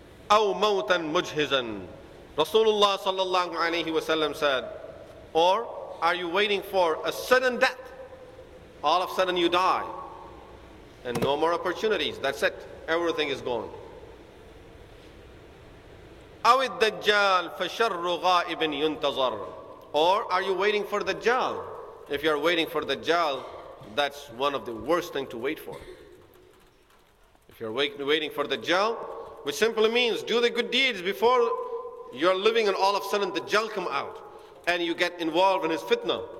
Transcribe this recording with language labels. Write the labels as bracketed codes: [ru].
[ar] أو موتا مجهزا. [en] Rasulullah sallallahu alayhi wa sallam said, or are you waiting for a sudden death? All of a sudden you die and no more opportunities. That's it. Everything is gone. [ar] أو الدجال فشر غائب ينتظر. [en] Or are you waiting for the Dajjal? If you are waiting for the Dajjal, that's one of the worst things to wait for. If you're waiting for the Dajjal, which simply means do the good deeds before you're living and all of a sudden the Dajjal come out and you get involved in his fitna.